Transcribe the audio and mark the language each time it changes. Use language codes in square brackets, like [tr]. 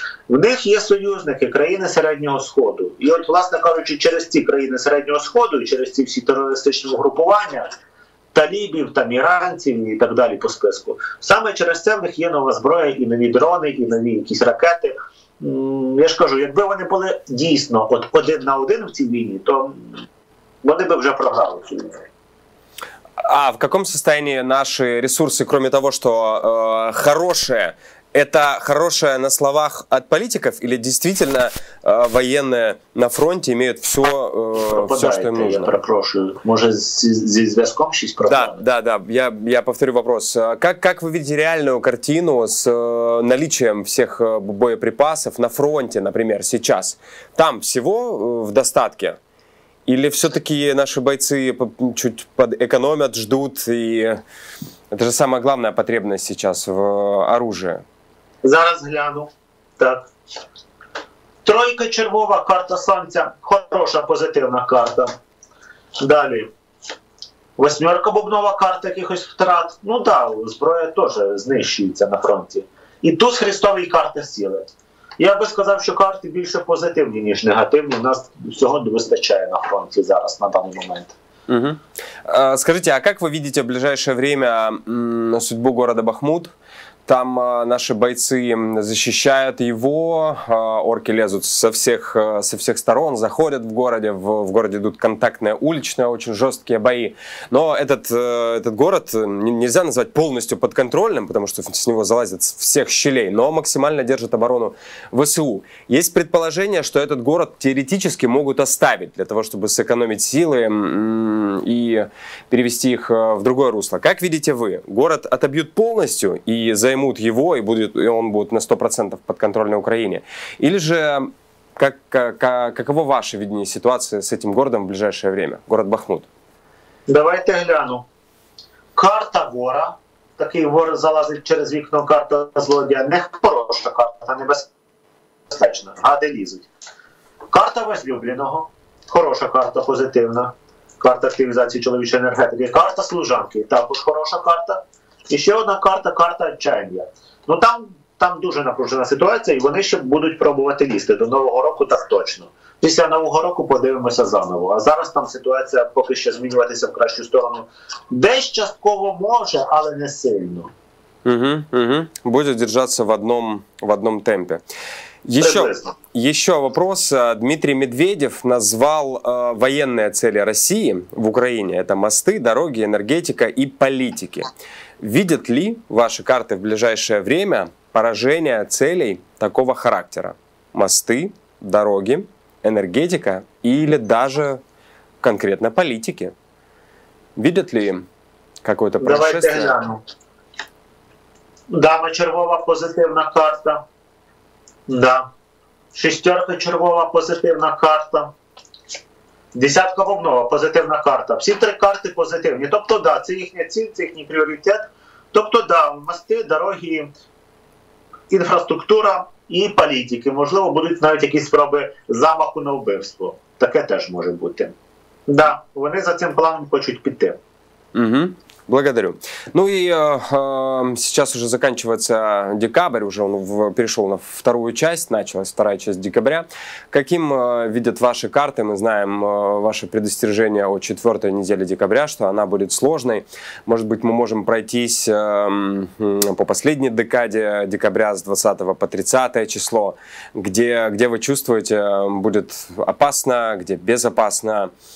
[uk] В них є союзники, країни Середнього Сходу. І от, власне кажучи, через ці країни Середнього Сходу, і через ці всі терористичні угрупування, талібів, там, іранців і так далі по списку, саме через це в них є нова зброя і нові дрони, і нові якісь ракети. Я ж кажу, якби вони були дійсно от один на один в цій війні, то вони би вже програли цю війну. [ru] А в каком состоянии наши ресурсы, кроме того, что хорошее, это хорошее на словах от политиков или действительно военные на фронте имеют все, что им нужно? Я прошу. Может, с связком щось проблемы? Да. Я повторю вопрос. Как вы видите реальную картину с наличием всех боеприпасов на фронте, например, сейчас? Там всего в достатке? Или все-таки наши бойцы чуть подэкономят, ждут, и это же самая главная потребность сейчас в оружии? [uk] Зараз гляну. Так. Тройка червова, карта санкця. Хороша, позитивна карта. Далі. Восьмерка бубнова, карта якихось втрат. Ну так, да, зброя теж знищується на фронті. І туз хрестової карти сіли. Я би сказав, що карти більше позитивні, ніж негативні. У нас всього не вистачає на фронті зараз, на даний момент. Угу. [ru] Скажите, а как вы видите в ближайшее время судьбу города Бахмут? Там наши бойцы защищают его, орки лезут со всех сторон, заходят в городе, в городе идут контактные уличные, очень жесткие бои. Но этот город нельзя назвать полностью подконтрольным, потому что с него залазят с всех щелей, но максимально держит оборону ВСУ. Есть предположение, что этот город теоретически могут оставить для того, чтобы сэкономить силы и перевести их в другое русло. Как видите вы, город отобьют полностью и займут его, и он будет на 100% подконтрольной Украине? Или же каково ваше видение ситуации с этим городом в ближайшее время, город Бахмут? Давайте гляну. [uk] Карта вора, такий вор залазить через вікно, карта злодія, не хороша карта, небезпечна, гади лізуть. Карта возлюбленого, хороша карта, позитивна. Карта активізації чоловічої енергетики. Карта служанки, також хороша карта. І ще одна карта, карта отчаяння. Ну там дуже напружена ситуація, і вони ще будуть пробувати лізти до Нового року, так точно. Після Нового року подивимося заново. А зараз там ситуація поки що змінюватися в кращу сторону. Десь частково може, але не сильно. Угу, угу. Буде держатися в одном темпі. [ru] Еще вопрос. Дмитрий Медведев назвал военные цели России в Украине. Это мосты, дороги, энергетика и политики. Видят ли ваши карты в ближайшее время поражение целей такого характера? Мосты, дороги, энергетика или даже конкретно политики? Видят ли какое-то происшествие? Давайте глянем. Дама червова, позитивная карта. [uk] Да. Шестерка червова, позитивна карта. Десятка вовного, позитивна карта. Всі три карти позитивні. Тобто, да, це їхня ціль, це їхній пріоритет. Тобто, да, мости, дороги, інфраструктура і політики. Можливо, будуть навіть якісь спроби замаху на вбивство. Таке теж може бути. Да, вони за цим планом хочуть піти. [ru] Угу. Благодарю. Ну и сейчас уже заканчивается декабрь, уже он перешел на вторую часть, началась вторая часть декабря. Каким видят ваши карты? Мы знаем ваше предостережение о четвертой неделе декабря, что она будет сложной. Может быть, мы можем пройтись по последней декаде декабря с 20 по 30 число, где вы чувствуете, будет опасно, где безопасно.